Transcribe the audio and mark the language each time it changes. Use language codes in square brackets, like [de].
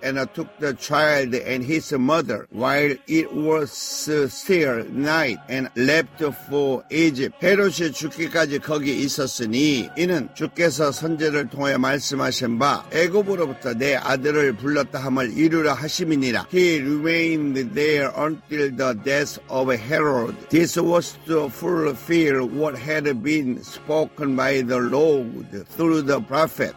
[en] And took the child and his mother while it was still night and left for Egypt. [ko] 헤롯이 죽기까지 거기 있었으니 이는 주께서 선지를 통해 말씀하신 바 애굽으로부터 내 아들을 불렀다 함을 이루려 하심이니라. [en] He remained there until the death of Herod. This was to fulfill what had been spoken by the Lord through the prophet.